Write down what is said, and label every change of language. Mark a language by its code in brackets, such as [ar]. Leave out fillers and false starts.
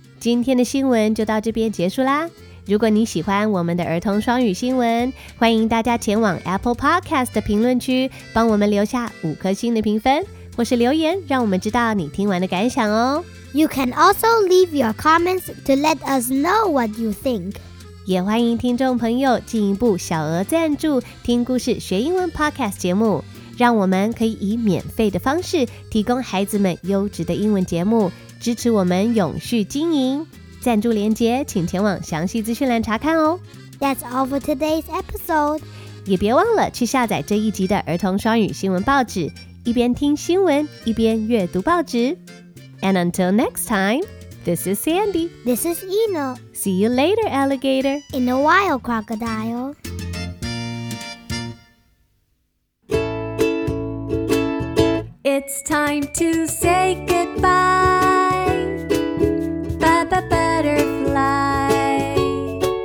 [zh] 今天的新闻就到这边结束啦。如果你喜欢我们的儿童双语新闻，欢迎大家前往 Apple Podcast 的评论区，帮我们留下五颗星的评分，或是留言，让我们知道你听完的感想哦。 [en] You can also leave your comments to let us know what you think. [zh] 也欢迎听众朋友进一步小额赞助听故事学英文 Podcast 节目，让我们可以以免费的方式提供孩子们优质的英文节目，支持我们永续经营。赞助连结请前往详细资讯栏查看哦。 [en] That's all for today's episode. [zh] 也别忘了去下载这一集的儿童双语新闻报纸，一边听新闻一边阅读报纸。 [en] And until next time, this is Sandy. This is Eno. See you later, alligator. In a while, crocodile. It's time to say goodbye, Baba Butterfly.